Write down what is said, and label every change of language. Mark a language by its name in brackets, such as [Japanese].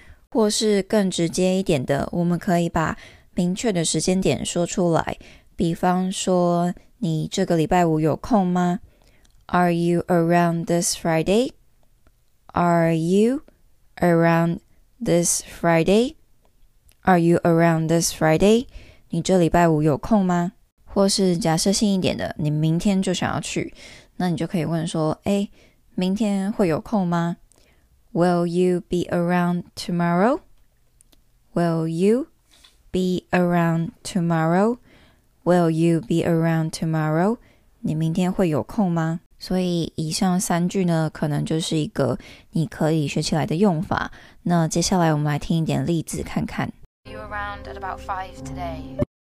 [Chinese] 或是更直接一点的，我们可以把明确的时间点说出来。比方说，你这个礼拜五有空吗？ [English] Are you around this Friday? Are you around this Friday? Are you around this Friday? [Chinese] 你这礼拜五有空吗？或是假设性一点的，你明天就想要去，那你就可以问说，诶，明天会有空吗？ [English] Will you be around tomorrow? Will you be around tomorrow? Will you be around tomorrow? [Chinese] 你明天会有空吗？所以以上三句呢，可能就是一个你可以学起来的用法。那接下来我们来听一点例子看看。 [English] Are you around at about 5 today?